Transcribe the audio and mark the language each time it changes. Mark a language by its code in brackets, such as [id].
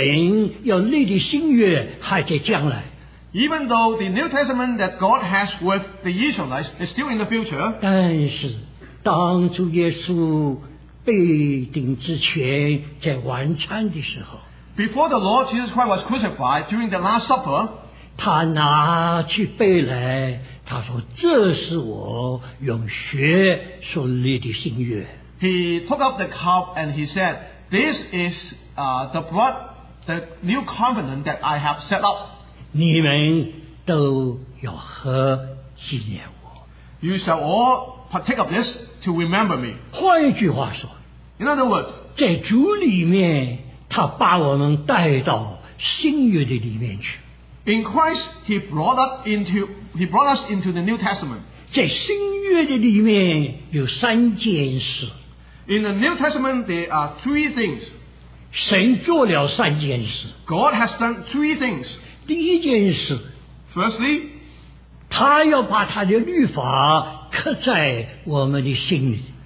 [zh] 虽然神与以色列人要立的新约还在将来。 [en] Even though the New Testament that God has with the Israelites is still in the future. [zh] 但是, 当主耶稣被钉之前在晚餐的时候, [en] Before the Lord Jesus Christ was crucified during the Last Supper, [zh] 他拿去杯来, 他说这是我用血所立的新约。 [en] He took up the cup and he said, This is the blood, the new covenant that I have set up. [zh] 你们都要喝纪念我。 [en] You shall all partake of this to remember me. [zh] 换一句话说， [en] In other words, [zh] 在主里面他把我们带到新约的里面去。 [en] In Christ, he brought us into the New Testament. [zh] 在新约的里面有三件事。 [en] In the New Testament, there are three things. [zh] 神做了三件事。 [en] God has done three things. [zh] 第一件事。 [en] Firstly, [zh] 他要把他的律法刻在我们的心里。